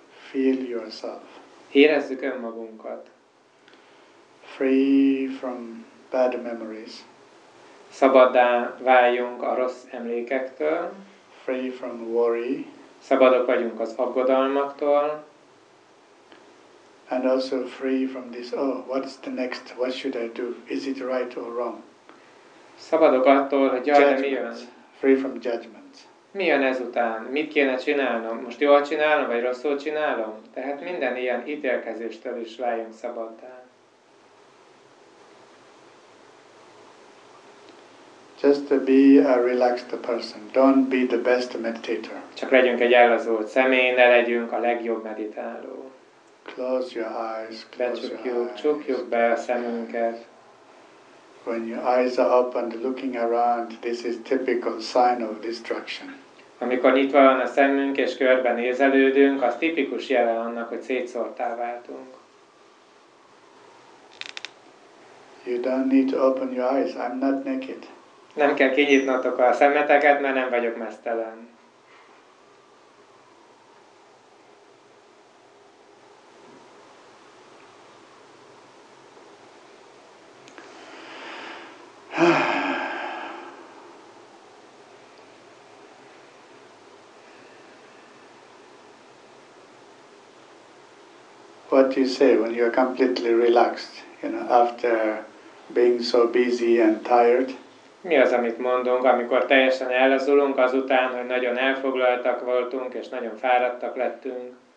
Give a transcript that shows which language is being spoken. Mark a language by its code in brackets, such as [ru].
[en] Feel yourself. [hu] Érezzük önmagunkat. [en] Free from bad memories. [hu] Szabaddá váljunk a rossz emlékektől. [en] Free from worry. [hu] Szabadok vagyunk az aggodalmaktól. [en] And also free from this, oh, what's the next, what should I do, is it right or wrong? [hu] Szabadok attól, hogy jaj, de mi jön? [en] Free from judgments. [hu] Mi jön ezután? Mit kéne csinálnom? Most jól csinálom, vagy rosszul csinálom? Tehát minden ilyen ítélkezéstől is váljunk szabaddá. [en] Just to be a relaxed person, don't be the best meditator. [hu] Csak legyünk egy ellazult személy, ne legyünk a legjobb meditáló. [en] Close your eyes, [hu] csukjuk be a szemünket. [en] When your eyes are open and looking around, this is typical sign of distraction. [hu] Amikor nyitva van a szemünk és körben nézelődünk, az tipikus jele annak, hogy szétszórtá váltunk. [en] You don't need to open your eyes, I'm not naked. [hu] Nem kell kinyitnotok a szemeteket, mert nem vagyok meztelen. [en] What do you say when you are completely relaxed you know, after being so busy and tired. [hu] Mi az, amit mondunk, amikor teljesen ellazulunk azután, hogy nagyon elfoglaltak voltunk és nagyon fáradtak lettünk?